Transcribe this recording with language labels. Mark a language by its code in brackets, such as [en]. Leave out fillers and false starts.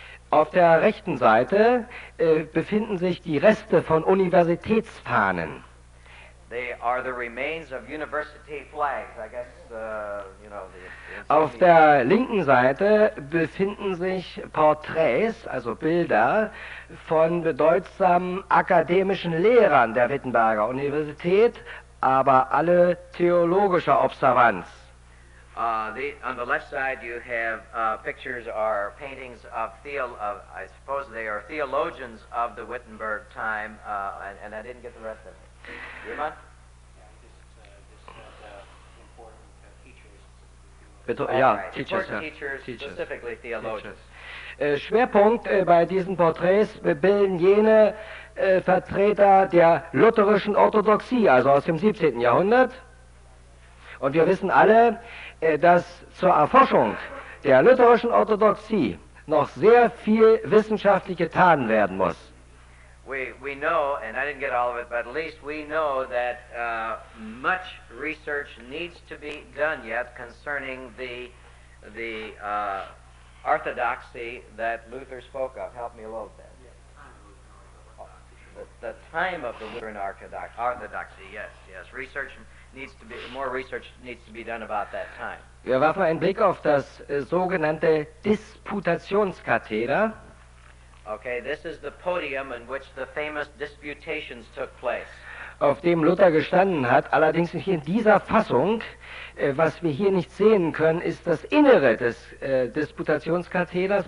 [de] Auf der rechten Seite befinden sich die Reste von Universitätsfahnen. [en] They are the remains of university flags, I guess, you know. [de] Auf der linken Seite befinden sich Porträts, also Bilder, von bedeutsamen akademischen Lehrern der Wittenberger Universität, aber alle theologischer Observanz. [en] On the left side you have pictures or paintings of, I suppose they are theologians of the Wittenberg time, and I didn't get the rest of it. Riemann? Yeah, just important teachers. [de] Bitte, ja, [en] right. Teachers, important, [de] ja. [en] Teachers, specifically theologians. [de] Schwerpunkt bei diesen Porträts bilden jene Vertreter der lutherischen Orthodoxie, also aus dem 17. Jahrhundert. Und wir wissen alle, dass zur Erforschung der lutherischen Orthodoxie noch sehr viel wissenschaftlich getan werden muss. [en] We know, and I didn't get all of it, but at least we know that much research needs to be done yet concerning the orthodoxy that Luther spoke of. Help me a little bit. The time of the Lutheran orthodoxy, yes, research needs to be, more research needs to be done about that time. [de] Wir werfen einen Blick auf das sogenannte Disputationskatheder. [en] Okay, this is the podium in which the famous disputations took place. [de] Auf dem Luther gestanden hat, allerdings nicht in dieser Fassung. Was wir hier nicht sehen können, ist das Innere des Disputationskatheders.